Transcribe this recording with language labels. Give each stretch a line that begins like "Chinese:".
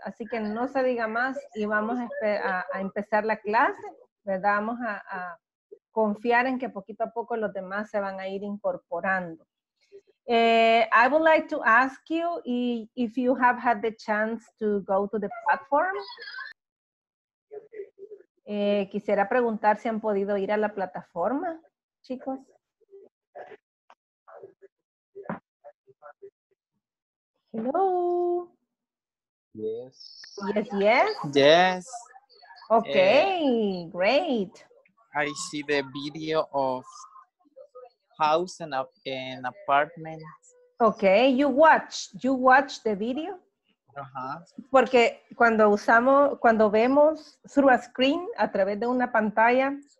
Spanish: Así que no se diga más y vamos a empezar la clase, ¿verdad? Vamos a confiar en que poquito a poco los demás se van a ir incorporando.
English: I would like to ask you if you have had the chance to go to the platform.
Spanish: Quisiera preguntar si han podido ir a la plataforma, chicos.
English: Hello. Yes. Yes, yes. Yes. Okay, great. I see the video of house and an apartment. Okay, you watch the video. Uh-huh.
Spanish: Porque cuando usamos, cuando vemos
English: through a screen,
Spanish: a través de una pantalla.